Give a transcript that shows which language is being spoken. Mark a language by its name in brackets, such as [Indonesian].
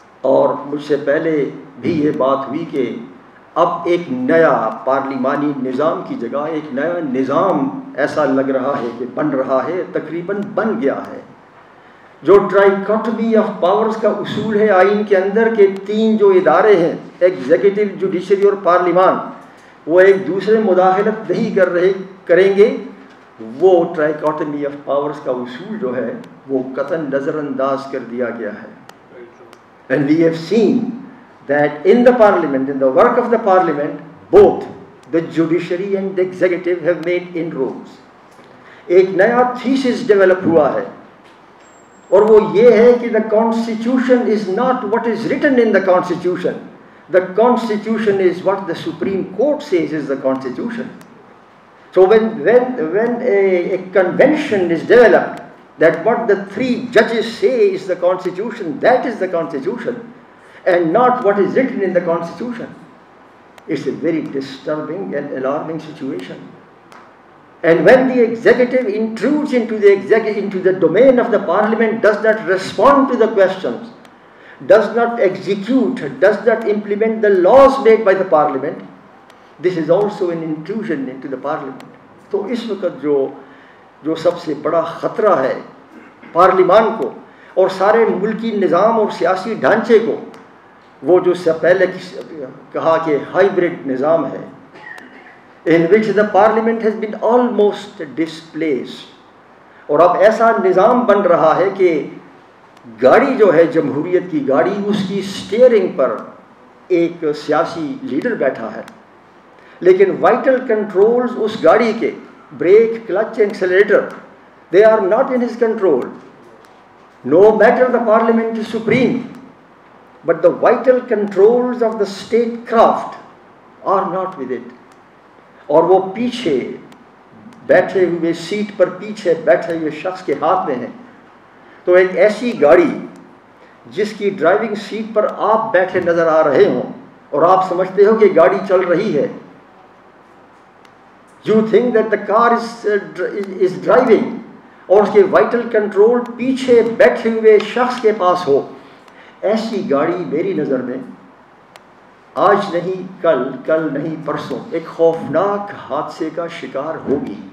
[Urdu] اور مجھ سے پہلے بھی یہ بات ہوئی کہ اب ایک نیا پارلیمانی نظام کی جگہ ایک نیا نظام ایسا لگ رہا ہے کہ بن رہا ہے, تقریباً بن گیا ہے, جو ٹرائیکوٹمی آف پاورز کا اصول ہے آئین کے اندر کے تین جو ادارے ہیں ایگزیکٹو, جوڈیشری اور پارلیمان, وہ ایک دوسرے مداخلت نہیں کر رہے کریں گے. وہ ٹرائیکوٹمی آف پاورز کا اصول جو ہے وہ قطعاً نظر انداز کر دیا گیا ہے. [English] And we have seen that in the parliament, in the work of the parliament, both the judiciary and the executive have made inroads. [Urdu] Ek naya thesis develop hua hai, aur wo ye hai ki [English] the constitution is not what is written in the constitution. The constitution is what the Supreme Court says is the constitution. So when a convention is developed, that what the three judges say is the constitution, that is the constitution, and not what is written in the constitution. It's a very disturbing and alarming situation. And when the executive intrudes into the domain of the parliament, does not respond to the questions, does not execute, does not implement the laws made by the parliament, this is also an intrusion into the parliament. [Urdu] So is waqt jo sabse bada khatra hai پارلیمان کو اور سارے ملکی نظام اور سیاسی ڈھانچے کو, وہ جو سے پہلے کہا کہ ہائبرڈ نظام ہے [English] in which the parliament has been almost displace, [Urdu] اور اب ایسا نظام بن رہا ہے کہ گاڑی جو ہے جمہوریت کی گاڑی, اس کی سٹیئرنگ پر ایک سیاسی لیڈر بیٹھا ہے, لیکن وائٹل کنٹرولز اس گاڑی کے, break, clutch, ایکسلیریٹر, [English] they are not in his control. No matter the parliament is supreme, but the vital controls of the state craft are not with it. [Urdu] اور وہ پیچھے بیٹھے ہوئے سیٹ پر پیچھے بیٹھے ہوئے شخص کے ہاتھ میں ہیں. تو ایک ایسی گاڑی جس کی ڈرائیونگ سیٹ پر آپ بیٹھے نظر آ رہے ہوں اور آپ سمجھتے ہو کہ گاڑی چل رہی ہے, [English] you think that the car is driving, [Urdu] اور اس کے وائٹل کنٹرول پیچھے بیٹھے ہوئے شخص کے پاس ہو, ایسی گاڑی میری نظر میں آج نہیں کل, کل نہیں پرسوں, ایک خوفناک حادثے کا شکار ہوگی.